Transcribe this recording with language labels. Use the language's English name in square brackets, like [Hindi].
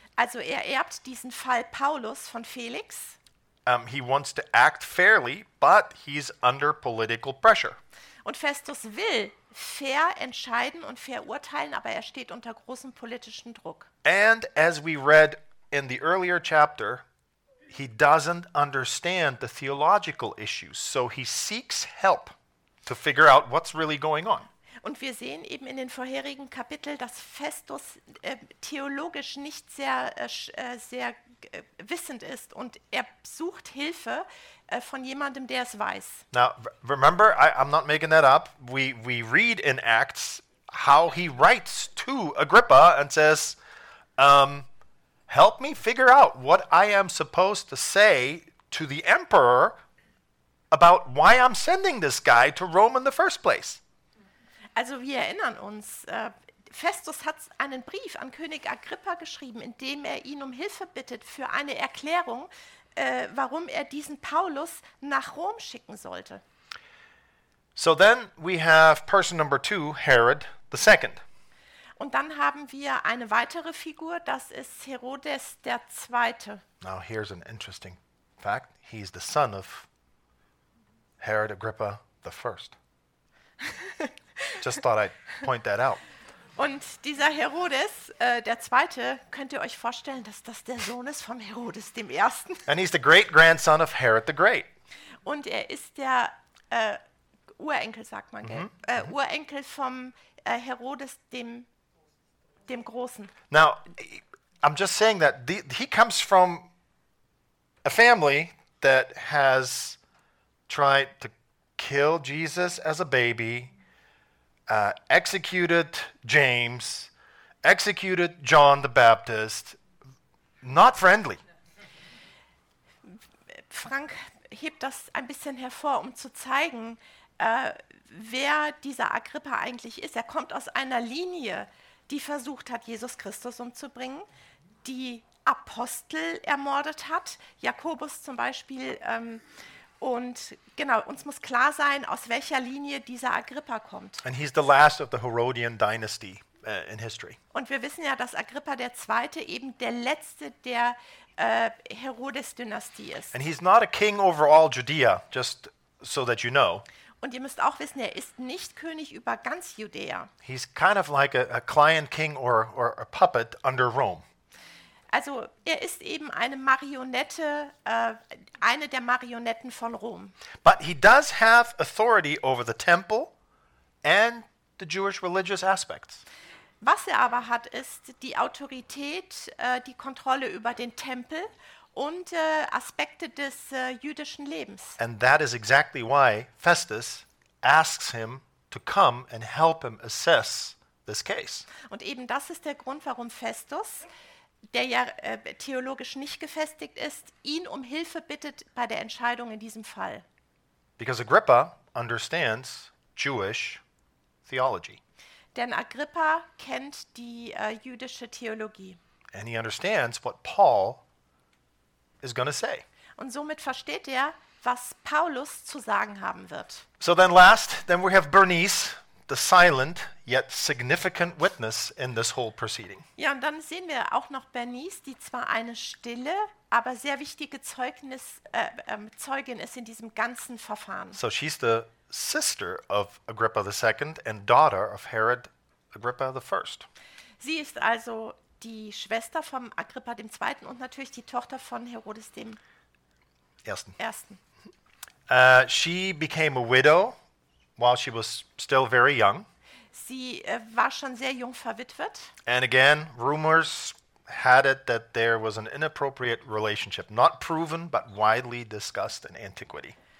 [German] Also er erbt diesen Fall Paulus von Felix. [English] He wants to act fairly, but he's under political pressure. [German] Und Festus will fair entscheiden und fair urteilen, aber er steht unter großem politischen Druck. [English] And as we read in the earlier chapter, he doesn't understand the theological issues, so he seeks help to figure out what's really going on. [German] Und wir sehen eben in den vorherigen Kapiteln, dass Festus theologisch nicht sehr sehr wissend ist und er sucht Hilfe von jemandem, der es weiß. [English] Now remember, I'm not making that up. We read in Acts how he writes to Agrippa and says, help me figure out what I am supposed to say to the emperor about why I'm sending this guy to Rome in the first place. [German] Also wir erinnern uns, Festus hat einen Brief an König Agrippa geschrieben, in dem er ihn um Hilfe bittet für eine Erklärung, warum er diesen Paulus nach Rom schicken sollte. [English] So then we have person number two, Herod the Second. [German] Und dann haben wir eine weitere Figur, das ist Herodes der Zweite. [English] Now here's an interesting fact. He's the son of Herod Agrippa the First. Just thought I'd point that out. [German] Und dieser Herodes, der Zweite, könnt ihr euch vorstellen, dass das der Sohn ist vom Herodes dem Ersten. [English] And he's the great-grandson of Herod the Great. [German] Und er ist der Urenkel, sagt man, gell? Mm-hmm. Urenkel vom Herodes dem Großen. [English] Now, I'm just saying that he comes from a family that has tried to kill Jesus as a baby. Executed James, executed John the Baptist, not friendly. [German] Frank hebt das ein bisschen hervor, um zu zeigen, wer dieser Agrippa eigentlich ist. Er kommt aus einer Linie, die versucht hat, Jesus Christus umzubringen, die Apostel ermordet hat, Jakobus zum Beispiel. Und genau, uns muss klar sein, aus welcher Linie dieser Agrippa kommt. [English] And he's the last of the Herodian dynasty in history. [German] Und wir wissen ja, dass Agrippa der Zweite eben der letzte der Herodes-Dynastie ist. [English] And he's not a king over all Judea, just so that you know. [German] Und ihr müsst auch wissen, er ist nicht König über ganz Judäa. [English] He's kind of like a client king or a puppet under Rome. [German] Also er ist eben eine Marionette, eine der Marionetten von Rom. [English] But he does have authority over the temple and the Jewish religious aspects. [German] Was er aber hat, ist die Autorität, die Kontrolle über den Tempel und Aspekte des jüdischen Lebens. [English] And that is exactly why Festus asks him to come and help him assess this case. [German] Und eben das ist der Grund, warum Festus, der ja theologisch nicht gefestigt ist, ihn um Hilfe bittet bei der Entscheidung in diesem Fall. [English] Because Agrippa understands Jewish theology. [German] Denn Agrippa kennt die jüdische Theologie. [English] And he understands what Paul is going to say. [German] Und somit versteht er, was Paulus zu sagen haben wird. [English] So then last, then we have Bernice, the silent yet significant witness in this whole proceeding. [German] Ja, und dann sehen wir auch noch Bernice, die zwar eine stille, aber sehr wichtige Zeugin ist in diesem ganzen Verfahren. [English] So she's the sister of Agrippa the Second and daughter of Herod Agrippa the First. [German] Sie ist also die Schwester von Agrippa dem Zweiten und natürlich die Tochter von Herodes dem Ersten. Ersten. [English] She became a widow while she was still very young. [German] Sie war schon sehr jung verwitwet. [English] And again, rumors had it that there was an inappropriate relationship, not proven, but widely discussed in antiquity.